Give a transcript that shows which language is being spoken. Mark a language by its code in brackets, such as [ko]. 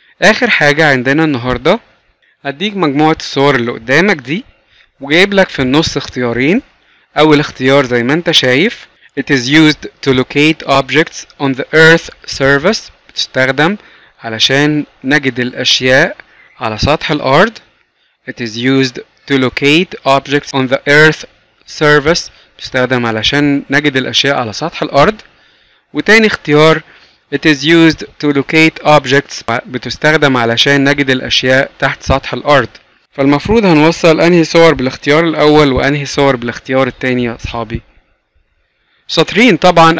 [ar] آخر حاجة عندنا النهاردة هديك مجموعة الصور اللي قدامك دي وجايب لك في النص اختيارين. أول اختيار زي ما أنت شايف [en] It is used to locate objects on the earth surface. [ar] بتستخدم علشان نجد الأشياء على سطح الأرض. [en] It is used to locate objects on the earth surface. [ar] بيستخدم علشان نجد الأشياء على سطح الأرض. وتاني اختيار [en] It is used to locate objects. [ar] بتستخدم علشان نجد الأشياء تحت سطح الأرض. فالمفروض هنوصل أنهي صور بالاختيار الأول وأنهي صور بالاختيار التاني يا أصحابي؟ شاطرين طبعا.